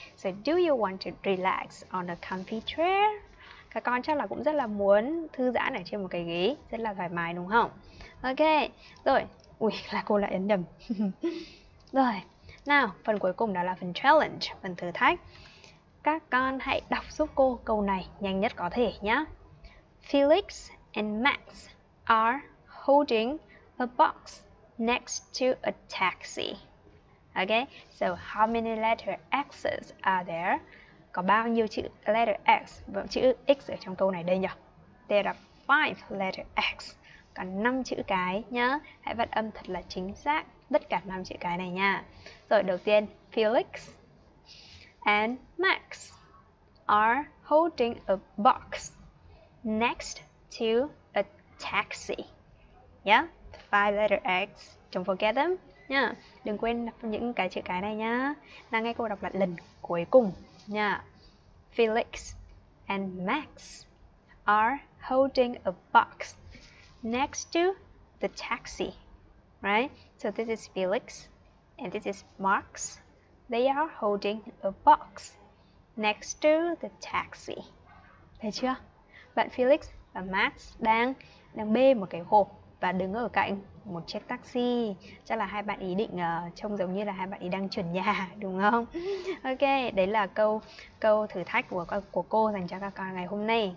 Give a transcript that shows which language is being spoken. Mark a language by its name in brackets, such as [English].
[English] So do you want to relax on a comfy chair? [Vietnamese] Các con chắc là cũng rất là muốn thư giãn ở trên một cái ghế rất là thoải mái đúng không? Ok, rồi Ui, là cô lại ấn nhầm. Rồi, nào, phần cuối cùng đó là phần challenge, phần thử thách. Các con hãy đọc giúp cô câu này nhanh nhất có thể nhé. [English] Felix and Max are holding a box next to a taxi. Okay, so how many letter X's are there? [Vietnamese] Có bao nhiêu chữ letter X, vẫn chữ X ở trong câu này đây nhỉ? [English] There are five letter X. [Vietnamese] Còn 5 chữ cái nhá. Hãy phát âm thật là chính xác tất cả 5 chữ cái này nha. Rồi đầu tiên, [English] Felix and Max are holding a box next to a taxi. Yeah, five letter X. Don't forget them. Nha. [Vietnamese] Đừng quên đọc những cái chữ cái này nhá. Là nghe cô đọc lại lần cuối cùng nha. [English] Felix and Max are holding a box next to the taxi. Right? So this is Felix and this is Max. They are holding a box next to the taxi. [Vietnamese] Thấy chưa? Bạn Felix và Max đang đang bê một cái hộp và đứng ở cạnh một chiếc taxi. Chắc là hai bạn ý định trông giống như là hai bạn ý đang chuyển nhà, đúng không? Ok, đấy là câu câu thử thách của cô dành cho các con ngày hôm nay.